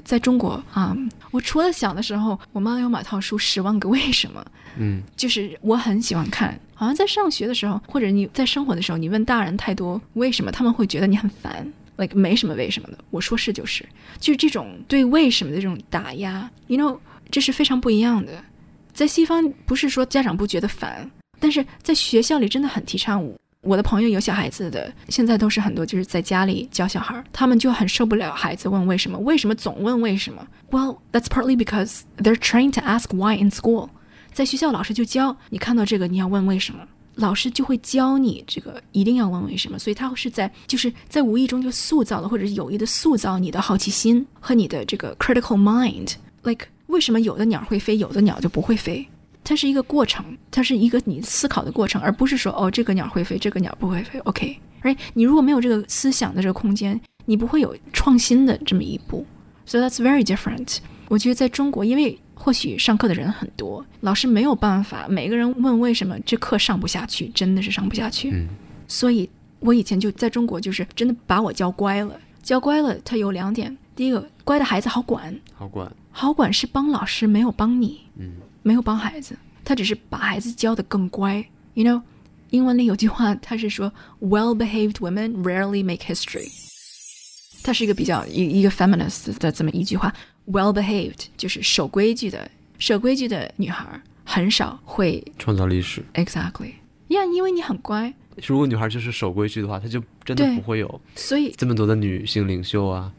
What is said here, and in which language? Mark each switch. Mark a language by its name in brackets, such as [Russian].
[Chinese] 在中国、我除了小的时候我妈有买套书十万个为什么、就是我很喜欢看，好像在上学的时候或者你在生活的时候，你问大人太多为什么，他们会觉得你很烦，like 没什么为什么的，我说是就是，就是这种对为什么的这种打压， you know 这是非常不一样的。在西方不是说家长不觉得烦，但是在学校里真的很提倡。我的朋友有小孩子的，现在都是很多就是在家里教小孩，他们就很受不了孩子问为什么，为什么总问为什么。 [English] Well that's partly because they're trained to ask why in school。 [Chinese] 在学校老师就教你，看到这个你要问为什么，老师就会教你这个一定要问为什么，所以他是在就是在无意中就塑造了或者有意的塑造你的好奇心和你的这个 critical mind。 like 为什么有的鸟会飞有的鸟就不会飞，它是一个过程，它是一个你思考的过程，而不是说哦这个鸟会飞这个鸟不会飞 OK、right? 你如果没有这个思想的这个空间，你不会有创新的这么一步。 [English] So that's very different。 [Chinese] 我觉得在中国，因为或许上课的人很多，老师没有办法每个人问为什么，这课上不下去，真的是上不下去、所以我以前就在中国就是真的把我教乖了。教乖了它有两点，第一个乖的孩子好管，好管好管是帮老师没有帮你、没有帮孩子，他只是把孩子教得更乖。 [English] You know [Chinese] 英文里有句话，他是说 [English] Well behaved women rarely make history。 [Chinese] 他是一个比较 一个 feminist 的这么一句话，well-behaved 就是守规矩的，守规矩的女孩很少会创造历史。 [English] Exactly yeah, [Chinese] 因为你很乖，如果女孩就是守规矩的话，她就真的不会有所以这么多的女性领袖啊。